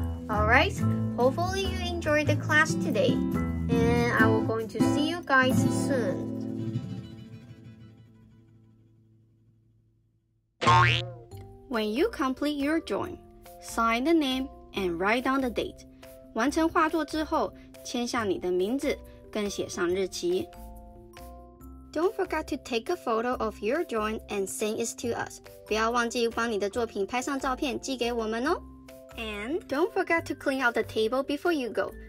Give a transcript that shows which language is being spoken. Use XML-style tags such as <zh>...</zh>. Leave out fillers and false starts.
<en>Alright, hopefully you enjoyed the class today, and I will going to see you guys soon. When you complete your drawing, sign the name and write down the date.</en> <zh>完成画作之后，签下你的名字，更写上日期。</zh> <en>Don't forget to take a photo of your drawing and send it to us.</en> <zh>不要忘记帮你的作品拍上照片寄给我们哦。</zh> <en>And don't forget to clean out the table before you go.</en>